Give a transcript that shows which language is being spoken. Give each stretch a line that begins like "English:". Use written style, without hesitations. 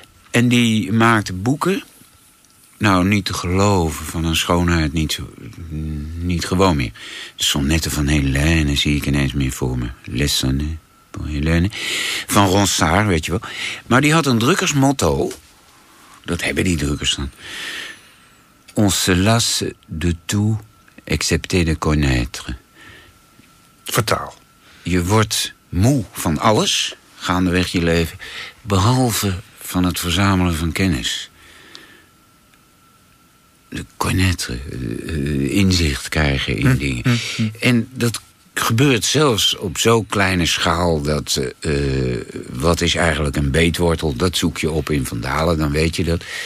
Dutch: En die maakte boeken. Nou, niet te geloven van een schoonheid, niet gewoon meer. De sonnetten van Helene zie ik ineens meer voor me.
French: Les sonnets
Dutch: van Helene. Van Ronsard, weet je wel. Maar die had een drukkersmotto. Dat hebben die drukkers dan.
French: On se lasse de tout, excepté de connaître.
Dutch: Vertaal. Je wordt moe van alles, gaandeweg je leven, behalve van het verzamelen van kennis. Connaître, inzicht krijgen in dingen. En dat gebeurt zelfs op zo'n kleine schaal dat wat is eigenlijk een beetwortel, dat zoek je op in Van Dalen, dan weet je dat.